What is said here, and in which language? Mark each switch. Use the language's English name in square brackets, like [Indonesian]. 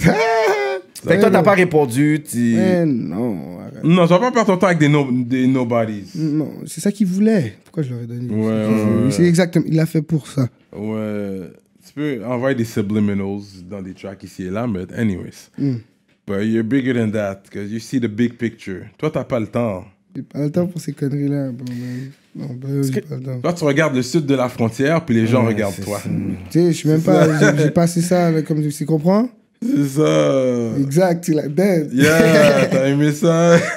[French] Fait que toi, t'as pas répondu. Tu... Non, arrête. Non, tu vas pas perdre ton temps avec des nobodies. Non, c'est ça qu'il voulait. Pourquoi je l'aurais donné? Ouais. C'est exactement, il l'a fait pour ça. Ouais. Tu peux envoyer des subliminals dans des tracks ici et là, mais anyways. [English] But you're bigger than that, because you see the big picture. [French] Toi, t'as pas le temps. J'ai pas le temps pour ces conneries-là. Bon, mais... Non, ben, j'ai pas le temps. Toi, tu regardes le sud de la frontière, puis les gens regardent toi. Tu sais, je suis même pas... J'ai pas assez ça, là, comme tu sais, comprends? C'est ça. Exact, c'est la bête. Yeah, t'as aimé ça.